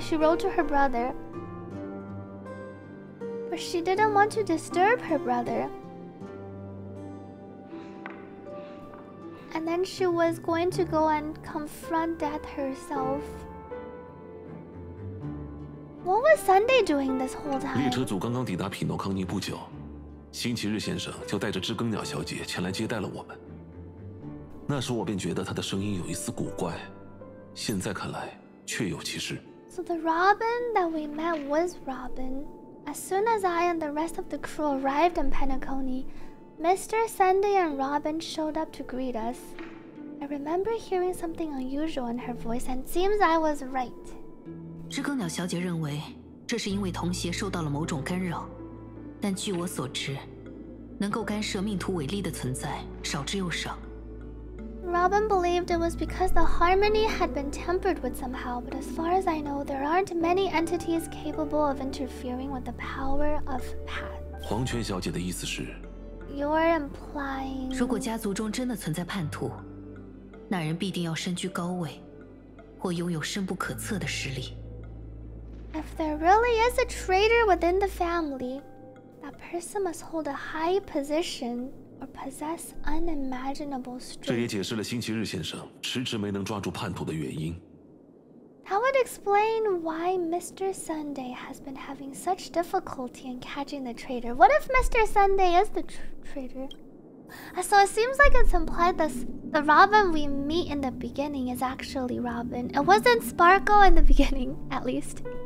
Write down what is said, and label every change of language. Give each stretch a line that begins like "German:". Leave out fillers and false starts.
English: She wrote to her brother, but she didn't want to disturb her brother. And then she was going to go and confront death herself. What was Sunday doing this whole time?
Chinese: 列车组刚刚抵达匹诺康尼不久，星期日先生就带着知更鸟小姐前来接待了我们。那时我便觉得他的声音有一丝古怪，现在看来确有其事。
English: So the Robin that we met was Robin. As soon as I and the rest of the crew arrived in Pentaconi, Mr. Sunday and Robin showed up to greet us. I remember hearing something unusual in her voice, and seems I was right.
Chinese: 知更鸟小姐认为这是因为童鞋受到了某种干扰，但据我所知，能够干涉命途伟力的存在少之又少。
English: Robin believed it was because the harmony had been tempered with somehow, but as far as I know, there aren't many entities capable of interfering with the power of paths.
Chinese: 黄泉小姐的意思是
English: ，You're implying.
Chinese: 如果家族中真的存在叛徒，那人必定要身居高位，或拥有深不可测的实力。
English: If there really is a traitor within the family, that person must hold a high position. Or possess unimaginable strength.
Chinese: 这也解释了星期日先生迟迟没能抓住叛徒的原因。
English: That would explain why Mr. Sunday has been having such difficulty in catching the traitor. What if Mr. Sunday is the traitor? So it seems like it's implied that the Robin we meet in the beginning is actually Robin. It wasn't Sparkle in the beginning, at least.